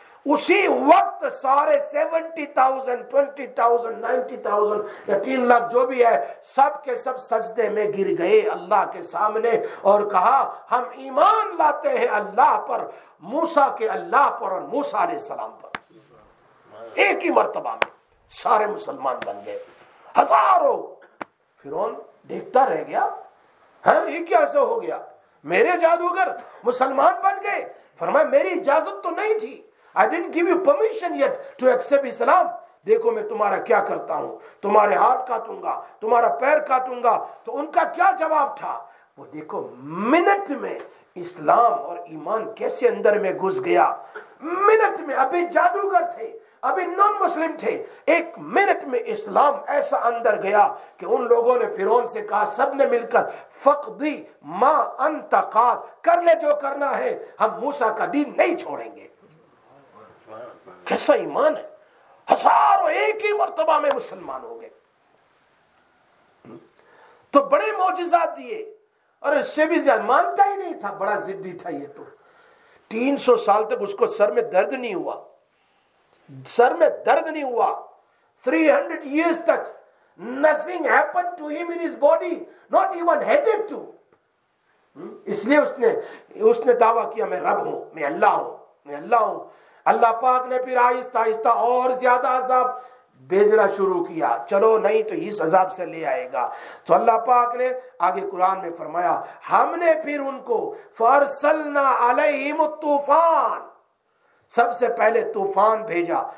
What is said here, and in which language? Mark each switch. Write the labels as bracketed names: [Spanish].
[Urdu] اسی وقت سارے 70,000, 20,000, 90,000 یا 3 لاکھ جو بھی ہے, سب کے سب سجدے میں گر گئے اللہ کے سامنے اور کہا ہم ایمان لاتے ہیں اللہ پر, موسیٰ کے اللہ پر اور موسیٰ علیہ السلام پر. ایک ہی مرتبہ میں سارے مسلمان بن گئے. ہزاروں فرعون دیکھتا رہ گیا, ہاں یہ کیا ایسا ہو گیا, میرے جادوگر مسلمان بن گئے. فرمایا میری اجازت تو نہیں تھی, [English] I didn't give you permission yet to accept Islam. [Urdu] دیکھو میں تمہارا کیا کرتا ہوں, تمہارے ہاتھ کاٹوں گا, تمہارا پیر کاٹوں گا. تو ان کا کیا جواب تھا, وہ دیکھو منٹ میں اسلام اور ایمان کیسے اندر میں گھس گیا. منٹ میں, ابھی جادوگر تھے, ابھی نان مسلم تھے, ایک منٹ میں اسلام ایسا اندر گیا کہ ان لوگوں نے فرعون سے کہا, سب نے مل کر [Arabic] فقدی ما انت قاد, [Urdu] کر لے جو کرنا ہے, ہم موسیٰ کا دین نہیں چھوڑیں گے. کیسا ایمان ہے, ہزاروں ایک ہی مرتبہ میں مسلمان ہو گئے. تو بڑے معجزات دیے, اور اس سے بھی زیادہ مانتا ہی نہیں تھا, بڑا ضدی تھا یہ. تو 300 سال تک اس کو سر میں درد نہیں ہوا, سر میں درد نہیں ہوا. [English] 300 years تک nothing happened to him in his body, not even headache too. [Urdu] اس لیے اس نے دعویٰ کیا میں رب ہوں, میں اللہ ہوں, میں اللہ ہوں. اللہ پاک نے پھر آہستہ آہستہ اور زیادہ عذاب بھیجنا شروع کیا, چلو نہیں تو اس عذاب سے لے آئے گا. تو اللہ پاک نے آگے قرآن میں فرمایا, ہم نے پھر ان کو [Arabic] فرسلنا علیہم الطوفان, [Urdu] سب سے پہلے طوفان بھیجا.